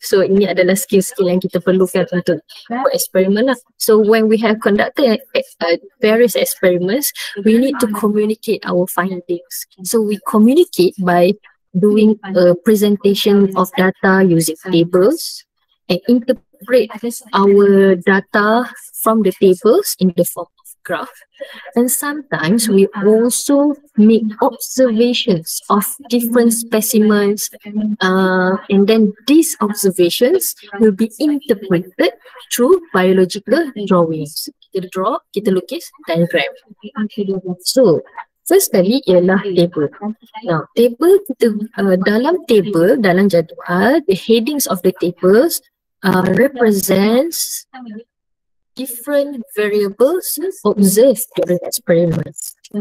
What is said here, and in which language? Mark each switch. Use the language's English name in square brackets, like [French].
[Malay] So ini adalah skill-skill yang kita perlukan untuk buat eksperimen lah. [English] So when we have conducted various experiments, we need to communicate our findings. So we communicate by doing a presentation of data using tables and interpret our data from the tables in the form of graph. And sometimes we also make observations of different specimens, and then these observations will be interpreted through biological drawings. [Malay] Kita draw, kita lukis diagram. So first kali ialah table. Now table kita, dalam table, dalam jadual, [English] the headings of the tables represents different variables observed during experiments.